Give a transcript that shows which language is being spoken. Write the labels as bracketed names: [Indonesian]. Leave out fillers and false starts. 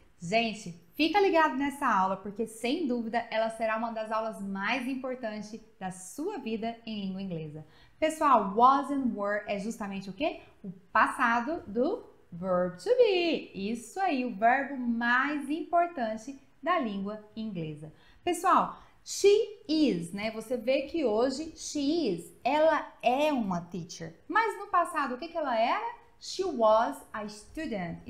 [Portuguese] Gente, fica ligado nessa aula, porque sem dúvida ela será uma das aulas mais importantes da sua vida em língua inglesa. Pessoal, [English] was and were [Portuguese] é justamente o quê? O passado do verb to be. Isso aí, o verbo mais importante da língua inglesa. Pessoal, [English] she is, [Portuguese] né? Você vê que hoje she is, ela é uma teacher. Mas no passado, o que que ela era? [English] She was a student.